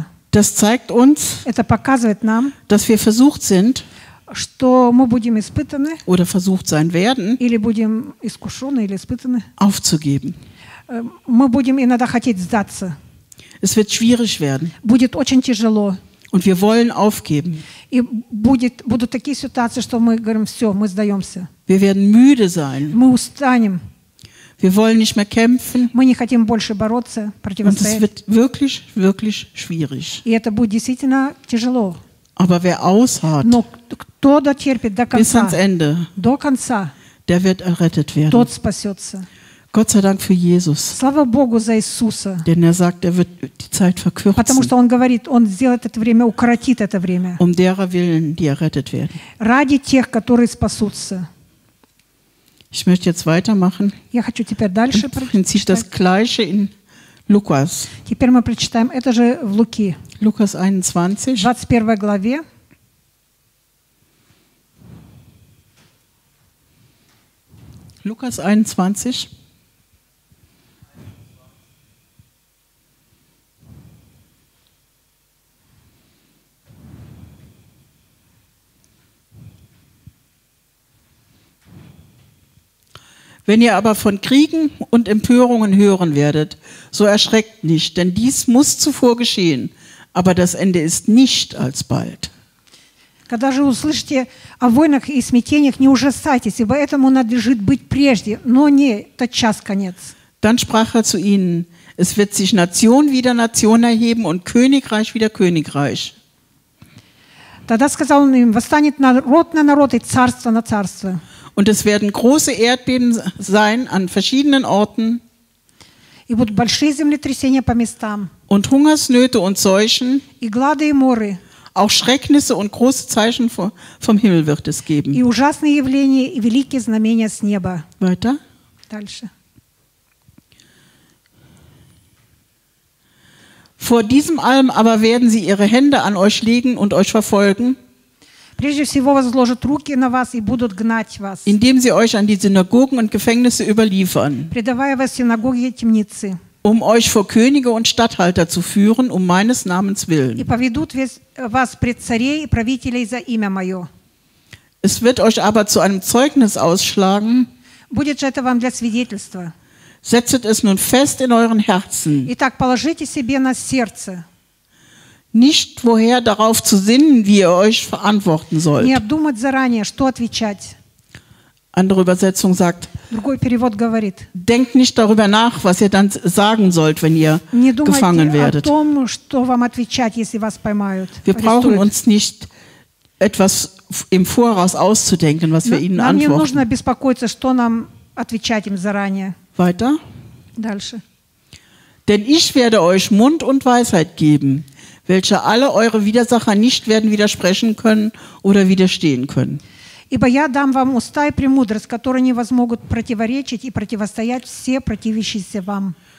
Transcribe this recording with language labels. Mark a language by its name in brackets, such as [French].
[German] Das zeigt uns, dass wir versucht sind, [Russian] что мы будем испытаны [German] oder versucht sein werden, [Russian] или будем искушены или испытаны [German] aufzugeben. [Russian] Мы будем иногда хотеть сдаться. [German] Es wird schwierig werden. [Russian] Будет очень тяжело. [German] Und wir wollen aufgeben. [Russian] И будет, будут такие ситуации, что мы говорим, все, мы сдаемся. [German] Wir werden müde sein. [Russian] Мы устанем. [German] Wir wollen nicht mehr kämpfen. [Russian] Мы не хотим больше бороться, противостоять. [German] Und es wird wirklich, wirklich schwierig. [Russian] И это будет действительно тяжело. [German] Aber wer ausharrt, [Russian] Но кто дотерпит до конца, [German] bis ans Ende, [Russian] до конца, [German] der wird errettet werden. [Russian] Тот спасется. [German] Gott sei Dank für Jesus. [Russian] Слава Богу за Иисуса. [German] Denn er sagt, er wird die Zeit verkürzen. [Russian] Потому что он говорит, он сделает это время, укоротит это время. [German] Um derer willen, die errettet werden. [Russian] Ради тех, которые спасутся. [German] Ich möchte jetzt weitermachen. [Russian] Я хочу теперь дальше прочитать. [German] Das gleiche in Lukas. [Russian] Теперь мы прочитаем это же в Луки. [German] Lukas 21. [Russian] 21 главе. [German] Lukas 21. Wenn ihr aber von Kriegen und Empörungen hören werdet, so erschreckt nicht, denn dies muss zuvor geschehen. Aber das Ende ist nicht alsbald. [Russian] Когда же услышите о войнах и смятениях, не ужасайтесь, ибо этому надлежит быть прежде, но не тотчас конец. [German] Dann sprach er zu ihnen: Es wird sich Nation wieder Nation erheben und Königreich wieder Königreich. [Russian] Тогда сказал он им: Восстанет народ на народ и царство на царство. [German] Und es werden große Erdbeben sein an verschiedenen Orten. [Russian] И будут большие землетрясения по местам. [German] Und Hungersnöte und Seuchen, [Russian] и глады и моры. [German] Auch Schrecknisse und große Zeichen vom Himmel wird es geben. [Russian] И ужасные явления и великие знамения с неба. [German] Weiter. [Russian] Дальше. [German] Vor diesem allem aber werden sie ihre Hände an euch legen und euch verfolgen. [Russian] Прежде всего возложат руки на вас и будут гнать вас. [German] Indem sie euch an die Synagogen und Gefängnisse überliefern. [Russian] Предавая вас синагоги и темницы. [German] Um euch vor Könige und Statthalter zu führen, um meines Namens willen. [Russian] И поведут вас пред царей и правителей за имя мое. [German] Es wird euch aber zu einem Zeugnis ausschlagen. [Russian] Будет же это вам для свидетельства. [German] Setzet es nun fest in euren Herzen. [Russian] Итак, положите себе на сердце. [German] Nicht woher darauf zu sinnen, wie ihr euch verantworten sollt. [Russian] Не обдумать заранее, что отвечать. [German] Andere Übersetzung sagt, [Russian] Другой перевод говорит, [German] denkt nicht darüber nach, was ihr dann sagen sollt, wenn ihr [Russian] не думайте [German] gefangen werdet. [Russian] О том, что вам отвечать, если вас поймают, [German] wir [Russian] арестуют. [German] Brauchen uns nicht etwas im Voraus auszudenken, was wir ihnen antworten. [Russian] Нам не нужно беспокоиться, что нам отвечать им заранее. [German] Weiter. [Russian] Дальше. [German] Denn ich werde euch Mund und Weisheit geben, welche alle eure Widersacher nicht werden widersprechen können oder widerstehen können. [Russian] Ибо я дам вам уста и премудрость, которые не возмогут противоречить и противостоять все противящиеся вам.